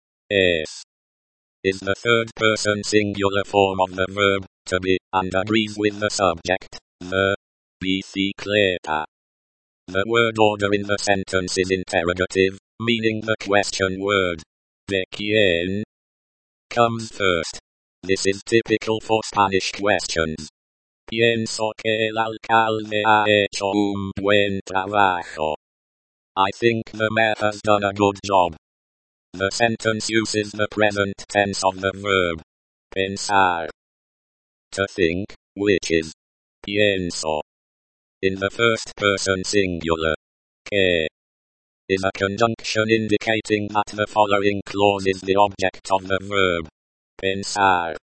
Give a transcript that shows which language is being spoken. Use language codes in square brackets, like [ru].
[en] Es is the third person singular form of the verb, to be, and agrees with the subject, the, bicicleta. The word order in the sentence is interrogative, meaning the question word, ¿de quién? Comes first. This is typical for Spanish questions. [es] Pienso que el alcalde ha hecho un buen trabajo. [en] I think the mayor has done a good job. The sentence uses the present tense of the verb pensar, to think, which is pienso. In the first person singular, que is a conjunction indicating that the following clause is the object of the verb pensar.